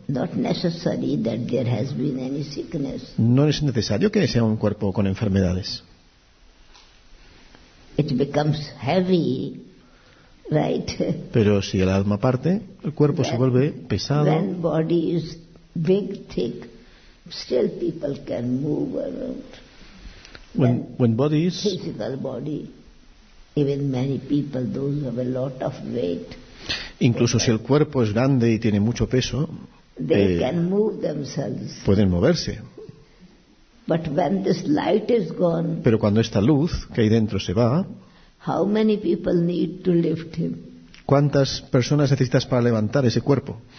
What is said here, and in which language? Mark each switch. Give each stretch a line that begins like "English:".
English: Not necessary that there has been any sickness.
Spanish: No es necesario que sea un cuerpo con enfermedades.
English: It becomes heavy, right?
Spanish: Pero si el alma parte, el cuerpo se vuelve pesado.
English: When body is big, thick. Still people can move around. When bodies, physical body, even many people, those have a lot of weight.
Spanish: Incluso si el cuerpo es grande y tiene mucho peso,
English: they can move themselves.
Spanish: Pueden moverse.
English: But when this light is gone,
Spanish: pero cuando esta luz que hay dentro se va,
English: how many people need to lift him?
Spanish: ¿Cuántas personas necesitas para levantar ese cuerpo?